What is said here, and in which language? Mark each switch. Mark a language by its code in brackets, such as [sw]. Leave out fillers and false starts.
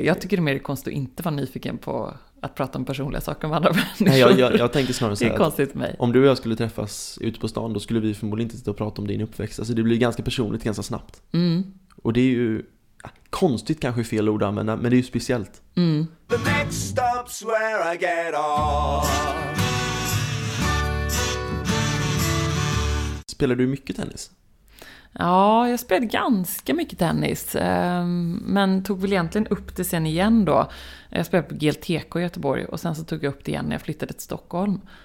[sv] Jag tycker det är mer konstigt att inte vara nyfiken på att prata om personliga saker med andra människor. Nej, jag tänker snarare så här. Det är konstigt för mig. Om du och jag skulle träffas ute på stan, då skulle vi förmodligen inte sitta och prata om din uppväxt. Alltså det blir ganska personligt ganska snabbt. Mm. Och det är ju konstigt, kanske fel ord att använda, men det är ju speciellt. [en] The next stop's where I get off. [sv] Spelar du mycket tennis? Ja, jag spelade ganska mycket tennis. Men tog väl egentligen upp det sen igen då. Jag spelade på GLTK i Göteborg. Och sen så tog jag upp det igen när jag flyttade till Stockholm.